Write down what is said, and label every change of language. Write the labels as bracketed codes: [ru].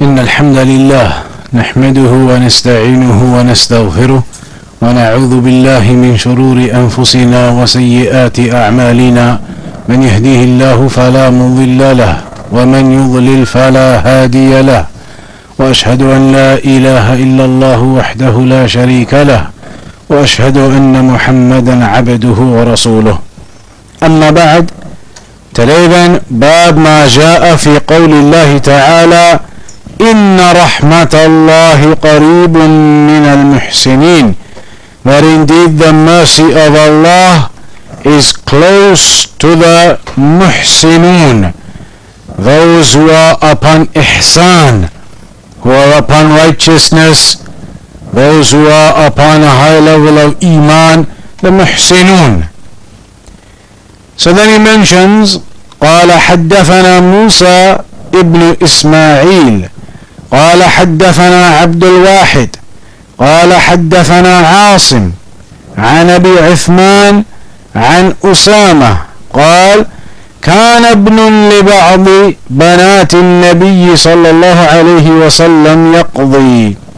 [ar] الحمد لله نحمده ونستعينه ونستغفره ونعوذ بالله من شرور أنفسنا وسيئات أعمالنا من يهديه الله فلا مضل له ومن يضلل فلا هادي له وأشهد أن لا إله إلا الله وحده لا شريك له وأشهد أن محمدا عبده ورسوله أما بعد تليبا باب ما جاء في قول الله تعالى إن رحمة الله قريب من المحسنين. [en] That indeed the mercy of Allah is close to the muhsinun, those who are upon ihsan, who are upon righteousness, those who are upon a high level of iman, the muhsinun. [ar] So then he mentions, قَالَ حَدَّفَنَا مُوسَى إِبْنُ إِسْمَاعِيلَ قال حدثنا عبد الواحد قال حدثنا عاصم عن أبي عثمان عن أسامة قال كان ابن لبعض بنات النبي صلى الله عليه وسلم يقضي